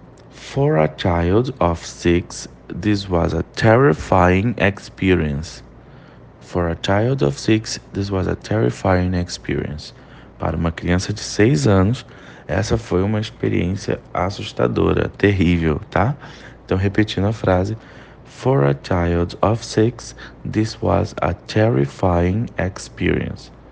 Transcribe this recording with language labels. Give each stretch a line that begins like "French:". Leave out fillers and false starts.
English: For a child of 6, this was a terrifying experience. For a child of 6, this was a terrifying experience.
Portuguese: Para uma criança de 6 anos, essa foi uma experiência assustadora, terrível, tá? Então, repetindo a frase.
English: For a child of 6, this was a terrifying experience.